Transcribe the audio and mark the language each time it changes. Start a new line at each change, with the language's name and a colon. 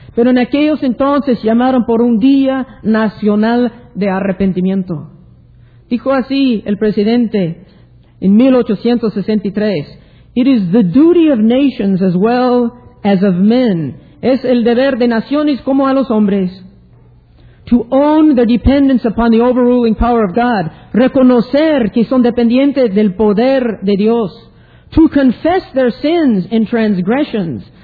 Spanish: Pero en aquellos entonces llamaron por un día nacional de arrepentimiento. Dijo así el presidente en 1863,
English: "It is the duty of nations as well as of men."
Spanish: Es el deber de naciones como a los hombres.
English: "To own their dependence upon the overruling power of God."
Spanish: Reconocer que son dependientes del poder de Dios.
English: "To confess their sins and transgressions."